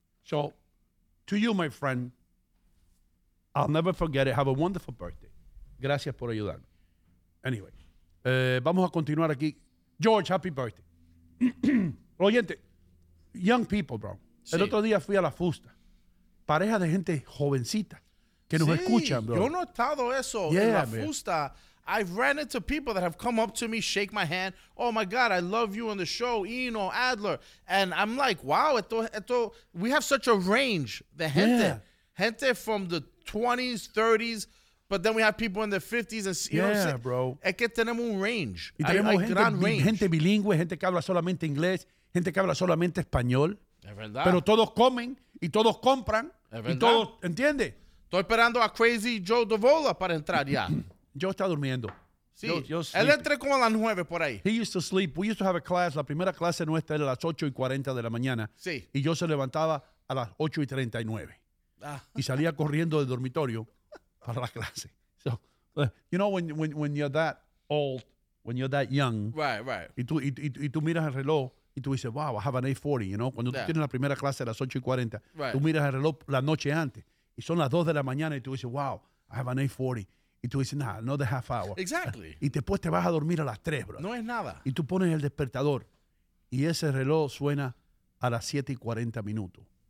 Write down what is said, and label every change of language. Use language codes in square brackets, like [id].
[en] So, to you, my friend, I'll never forget it. Have a wonderful birthday. [es] Gracias por ayudarme. [en] Anyway, [es] vamos a continuar aquí. George, [en] happy birthday. [es] Oyente, [en] young people, bro. [es] Sí. El otro día fui a la Fusta. Pareja de gente jovencita que nos escuchan, bro. Yo no he notado eso en la Fusta. [en] I've ran into people that have come up to me, shake my hand. Oh, my God, I love you on the show, Eno, Adler. And I'm like, wow, we have such a range. The gente. Yeah. Gente from the 20s, 30s, but then we have people in their 50s. And, bro. [es] Es que tenemos un range. Y tenemos gente bilingüe, gente que habla solamente inglés, gente que habla solamente español. Es verdad. Pero todos comen y todos compran. Es verdad. Y todos, ¿entiendes? Estoy esperando a Crazy Joe Davola para entrar ya. Joe está durmiendo. Sí. Él entra como a las 9 por ahí. [en] He used to sleep. We used to have a class. [es] La primera clase nuestra era a las 8:40 de la mañana. Sí. Y yo se levantaba a las 8:39. Ah. Y salía corriendo del dormitorio para la clase. [en] So, you know when you're that old, when you're that young. Right. [es] Y tú miras el reloj y tú dices, [en] wow, I have an 8:40, you know. [es] Cuando tú tienes la primera clase a las 8:40, [en] right. [es] Tú miras el reloj la noche antes. Y son las 2 de la mañana y tú dices, wow, [en] I have an 8:40. [es] Y tú dices, nada, no [en] the half hour. Exactly. [es] Y después te vas a dormir a las 3, bro. No es nada. Y tú pones el despertador y ese reloj suena a las 7:40 minutos.